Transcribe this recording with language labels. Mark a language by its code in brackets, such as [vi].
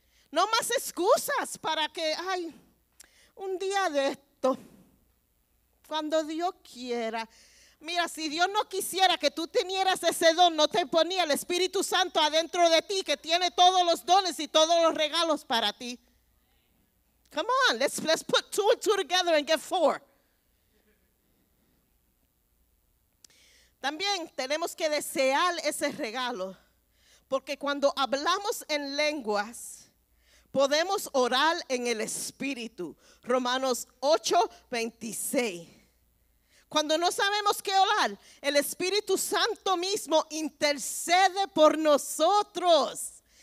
[es] No más excusas para que, ay, un día de esto, cuando Dios quiera. Mira, si Dios no quisiera que tú tuvieras ese don, no te ponía el Espíritu Santo adentro de ti, que tiene todos los dones y todos los regalos para ti. [en] Come on, let's put 2 and 2 together and get 4. [es] También tenemos que desear ese regalo, porque cuando hablamos en lenguas, podemos orar en el Espíritu. Romanos 8:26. Cuando no sabemos qué orar, el Espíritu Santo mismo intercede por nosotros.